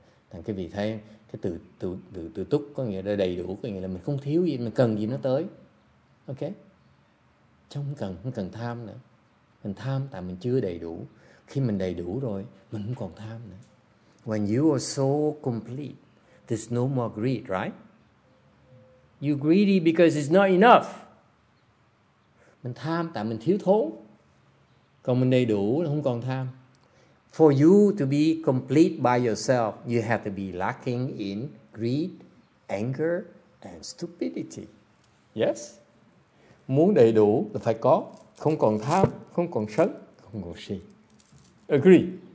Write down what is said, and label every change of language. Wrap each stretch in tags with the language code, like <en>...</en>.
<vi>Thằng cái vị thấy cái từ túc có nghĩa là đầy đủ, có nghĩa là mình không thiếu gì, mình cần gì nó tới. Ok? Không cần, không cần tham nữa. Mình tham tại mình chưa đầy đủ. Khi mình đầy đủ rồi, mình không còn tham nữa.</vi> <en>When you are so complete, there's no more greed, right? You greedy because it's not enough.</en> <vi>Mình tham tại mình thiếu thốn. Còn mình đầy đủ là không còn tham.</vi> <en>For you to be complete by yourself, you have to be lacking in greed, anger, and stupidity.</en> <vi>Yes? Muốn đầy đủ là phải có. Không còn tham, không còn sân, không còn si.</vi> <en>Agree.</en>